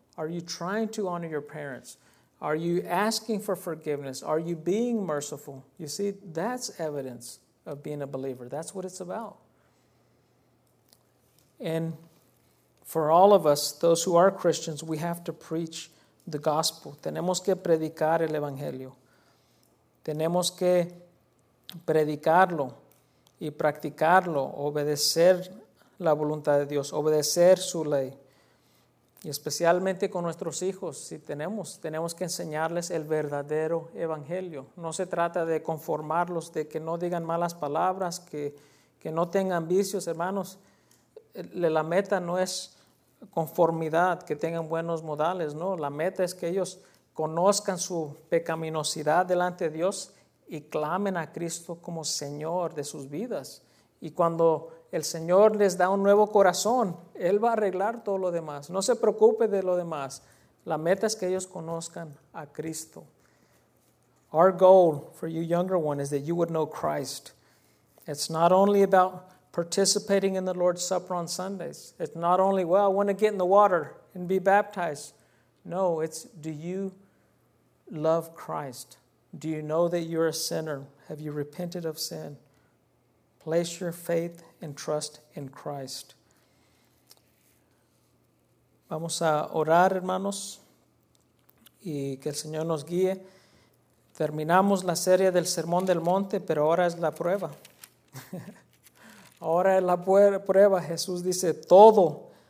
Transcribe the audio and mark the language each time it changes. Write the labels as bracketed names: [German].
[English] Are you trying to honor your parents? Are you asking for forgiveness? Are you being merciful? You see, that's evidence of being a believer. That's what it's about. And for all of us, those who are Christians, we have to preach the gospel. [Spanish] Tenemos que predicar el evangelio. Tenemos que predicarlo y practicarlo, obedecer la voluntad de Dios, obedecer su ley. Y especialmente con nuestros hijos, si tenemos que enseñarles el verdadero evangelio. No se trata de conformarlos, de que no digan malas palabras, que no tengan vicios, hermanos. La meta no es conformidad, que tengan buenos modales, no. La meta es que ellos conozcan su pecaminosidad delante de Dios y clamen a Cristo como Señor de sus vidas. Y cuando el Señor les da un nuevo corazón, Él va a arreglar todo lo demás. No se preocupe de lo demás. La meta es que ellos conozcan a Cristo. [English] Our goal for you younger one is that you would know Christ. It's not only about participating in the Lord's Supper on Sundays. It's not only, well, I want to get in the water and be baptized. No, it's, do you love Christ? Do you know that you're a sinner? Have you repented of sin? Place your faith and trust in Christ. [Spanish] Vamos a orar, hermanos, y que el Señor nos guíe. Terminamos la serie del Sermón del Monte, pero ahora es la prueba. Ahora es la prueba. Jesús dice, todos.